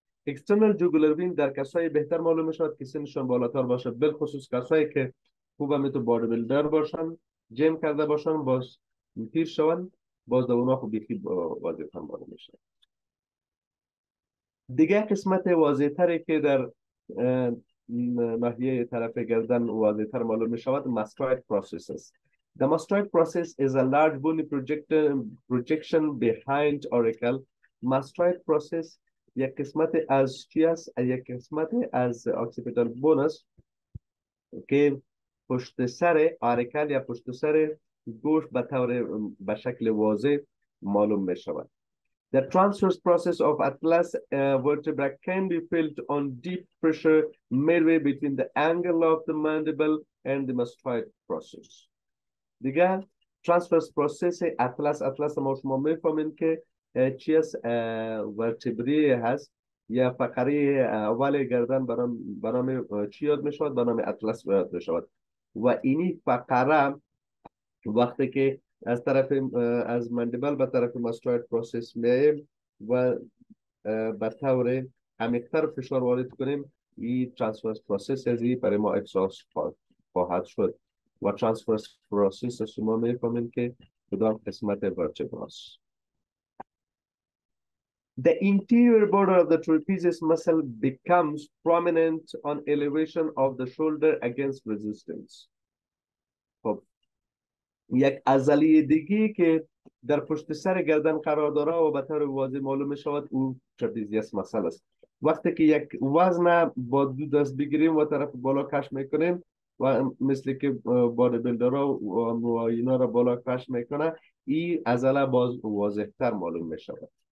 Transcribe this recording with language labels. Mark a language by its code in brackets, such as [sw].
[fa] External jugular vein در کسایی بهتر معلوم شود که سنشان بالاتر باشد، بلخصوص کسایی که خوب همیتو باڈی بیلدر باشن، جیم کرده باشن، باز پیر شون، باز در اونا خوب بیخی واضح هم معلوم شد. دیگه قسمت واضح تره که در ناحیه طرف گردن واضح تر معلوم می شود mastoid processes. [en] The mastoid process is a large bony projection behind auricle. [fa] Mastoid process یک قسمت از چی است؟ یک قسمت از occipital bone است که پشت سر auricle یا پشت سر گوش به طور به شکل واضح معلوم می شود. [en] The transverse process of atlas vertebra can be felt on deep pressure midway between the angle of the mandible and the mastoid process. [fa] دیگه transverse process atlas ما شما میفهمین که چی است؟ vertebrae هست یا فقره اول گردن برام چی یاد میشود؟ برام atlas یاد میشود. و اینی فقره وقتی که از طرف از مندیبل به طرف مستوید پروسس میاییم و به طور عمیق‌تر فشار وارد کنیم، این ترانسفرس پروسس از این برای ما اکساس خواهد شد. و ترانسفرس پروسس از شما میفهمیم که کدام قسمت ورتبراس. [en] The interior border of the trapezius muscle becomes prominent on elevation of the shoulder against resistance. [fa] یک عضلی دیگه که در پشت سر گردن قرار داره و به طور واضح معلوم شود او ترپیزیس مسل است. وقتی که یک وزن با دو دست بگیریم و طرف بالا کش میکنیم و مثل که بادی بیلدرها و اینا را بالا کش میکنه، این عضله باز واضح تر معلوم میشود.